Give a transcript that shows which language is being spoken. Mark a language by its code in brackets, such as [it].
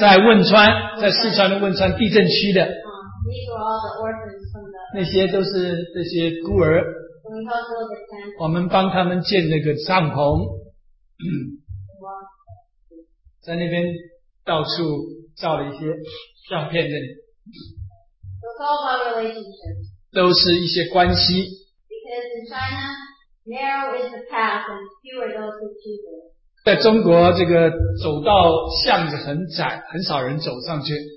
[zh] 在汶川，在四川的汶川地震区的。 [en] These were all the orphans from the. [zh] 那些都是这些孤儿。 [en] We helped build the tent. [zh] 我们帮他们建那个帐篷。在那边到处照了一些。相片这里。 [en] So it's all about relationships. [zh] 都是一些关系。 [en] Because in China, narrow is the path and few are those who choose it. [zh] 在中国这个走道巷子很窄，很少人走上去。